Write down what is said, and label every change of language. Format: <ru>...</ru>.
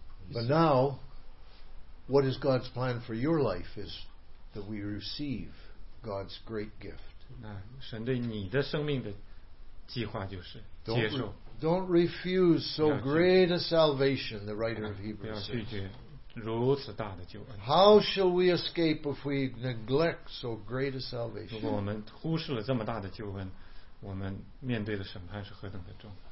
<en>But now, what is God's plan for your life is that we receive God's great gift.</en> <zh>那神对你的生命的计划就是接受。</zh> <en>Don't refuse so great a salvation, the writer of Hebrews says.</en> <zh>不要拒绝如此大的救恩。</zh> <en>How shall we escape if we neglect so great a salvation?</en> <zh>如果我们忽视了这么大的救恩，我们面对的审判是何等的重。</zh>